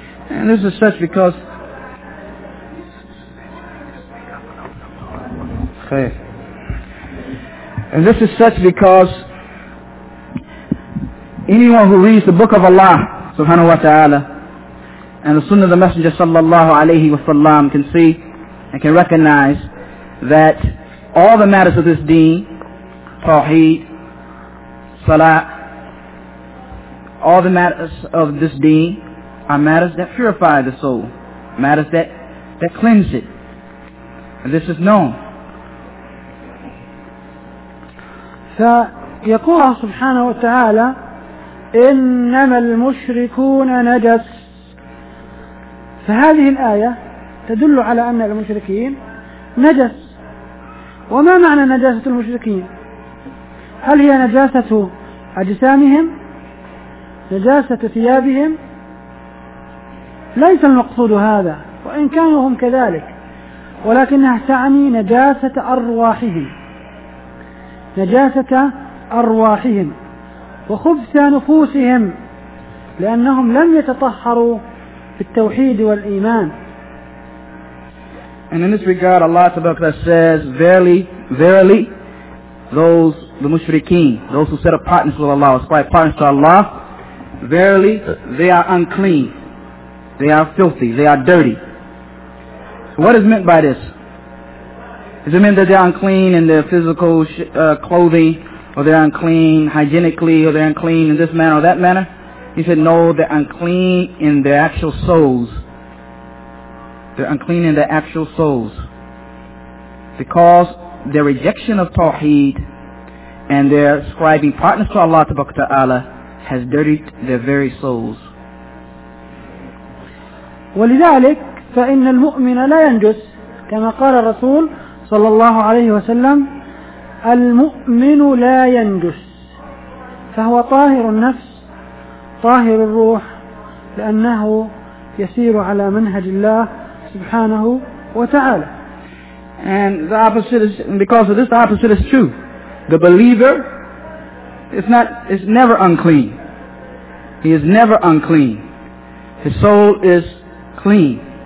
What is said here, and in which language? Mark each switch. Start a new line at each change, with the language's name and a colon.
English: And this is such because and this is such because anyone who reads the book of Allah subhanahu wa ta'ala and the sunnah of the Messenger sallallahu alayhi wa sallam can see and can recognize that all the matters of this deen, tawheed, salat, all the matters of this deen are matters that purify the soul, matters that cleanse it. And this is known.
Arabic: فيقول سبحانه وتعالى إنما المشركون نجس. فهذه الآية تدل على أن المشركين نجس. وما معنى نجاسة المشركين؟ هل هي نجاسة أجسامهم، نجاسة ثيابهم؟ ليس المقصود هذا، وإن كانوا هم كذلك، ولكنها تعني نجاسة أرواحهم، نجاسة أرواحهم وخبث نفوسهم، لأنهم لم يتطهروا في التوحيد والإيمان.
English: And in this regard, Allah Ta'ala says, verily, verily, those, the mushrikeen, those who set up partners with Allah, ascribe partners to Allah, verily, they are unclean, they are filthy, they are dirty. So what is meant by this? Is it meant that they're unclean in their physical clothing, or they're unclean hygienically, or they're unclean in this manner or that manner? He said, no, they're unclean in their actual souls. They're unclean in their actual souls. Because their rejection of Tawheed and their ascribing partners to Allah Tabaraka Ta'ala has dirtied their very souls.
Arabic: ولذلك فإن المؤمن لا ينجس كما قال الرسول صلى الله عليه وسلم المؤمن لا ينجس فهو طاهر النفس طاهر الروح لأنه يسير على منهج الله سبحانه وتعالى.
English: And the opposite is, because of this, the opposite is true. The believer is never unclean. He is never unclean. His soul is clean.